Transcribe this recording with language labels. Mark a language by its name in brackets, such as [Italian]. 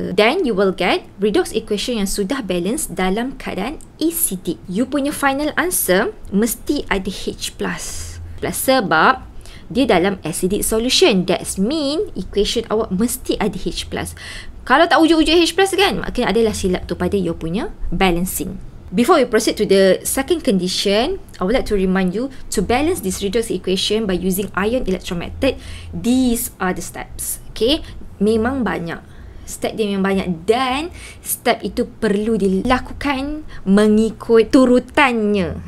[English] Then you will get redox equation [Malay] yang sudah balance dalam keadaan acidic. You punya final answer mesti ada H+. Plus sebab dia dalam acidic solution. [English] That's mean equation [Malay] awak mesti ada H+. Kalau tak ujung-ujung H+, kan? Maknanya adalah silap tu pada you punya balancing. [English] Before we proceed to the second condition, I would like to remind you to balance this redox equation by using ion electron method. These are the steps. [Malay] Okay? Memang banyak. Step dia memang banyak. Dan step itu perlu dilakukan mengikut turutannya.